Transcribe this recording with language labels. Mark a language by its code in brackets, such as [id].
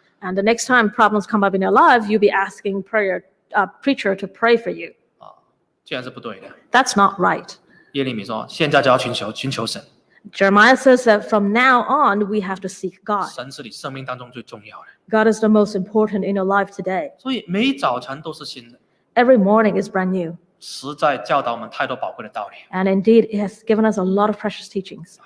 [en] And the next time problems come up in your life, you'll be asking prayer preacher to pray for you. [zh] 啊，这样是不对的。 [en] That's not right. [zh] 耶利米说，现在就要寻求神。 [en] Jeremiah says that from now on, we have to seek God. [zh] 神是你生命当中最重要的。 [en] God is the most important in your life today. [zh] 所以每早晨都是新的。 [en] Every morning is brand new. [zh] 实在教导我们太多宝贵的道理。 [en] And indeed, it has given us a lot of precious teachings.